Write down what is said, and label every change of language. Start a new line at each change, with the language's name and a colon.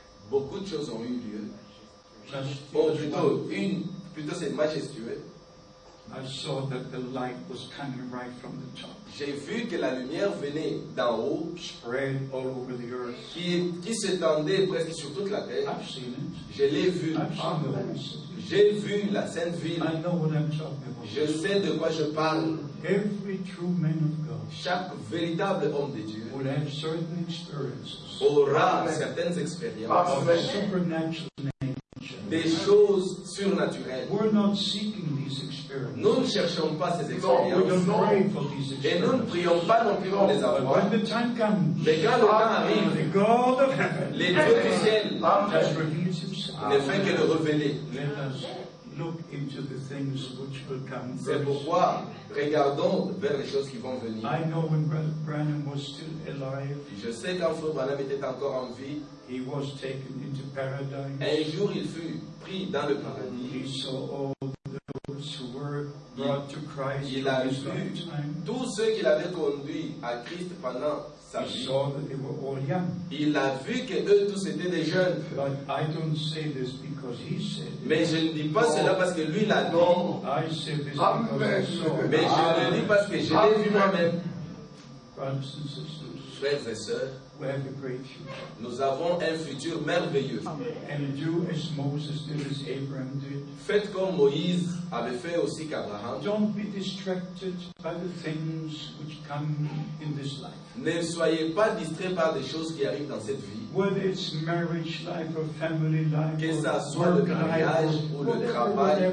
French: Beaucoup de choses ont eu lieu. Plutôt c'est majestueux.
English: I saw that the light was coming right from the top.
French: J'ai vu que la lumière venait d'en haut,
English: spread all over the earth.
French: Qui s'étendait presque sur toute la terre.
English: I've seen it.
French: Je l'ai vu. J'ai vu la Sainte Ville.
English: I know what I'm talking about.
French: Je sais de quoi je parle.
English: Every true man of God.
French: Chaque véritable homme de Dieu
English: will have certain experiences.
French: Aura certaines expériences.
English: Of a supernatural nature.
French: Des choses surnaturelles.
English: We're not seeking these experiences.
French: Nous ne cherchons pas ces expériences. Et nous ne prions pas non plus pour les avoir.
English: When the time comes,
French: mais quand le temps arrive,
English: the God of heaven,
French: les dieux du ciel
English: has revealed himself.
French: Ne fait que le révéler.
English: Let us look into the things which will come.
French: C'est pourquoi regardons vers les choses qui vont venir.
English: I know when Branham was still alive.
French: Je sais quand Frère Branham était encore en vie.
English: He was taken into paradise.
French: Un jour, il fut pris dans le paradis.
English: He saw all those who were brought to Christ.
French: Il a vu tous ceux qu'il avait conduits à Christ pendant sa vie.
English: He saw that they were all young.
French: Il a vu que eux tous étaient des jeunes.
English: But I don't say this because he said it.
French: Mais je ne dis pas cela parce que lui l'a
English: dit. I say this because I saw.
French: Mais je le dis parce que je l'ai vu moi-même.
English: Brothers and sisters.
French: Frères et sœurs.
English: We have a great future.
French: Nous avons un futur merveilleux.
English: And do as Moses did, as Abraham did.
French: Faites comme Moïse avait fait aussi qu'Abraham.
English: Don't be distracted by the things which come in this life.
French: Ne soyez pas distrait par des choses qui arrivent dans cette vie.
English: Whether it's marriage life or family life.
French: Que ça soit le mariage ou le travail.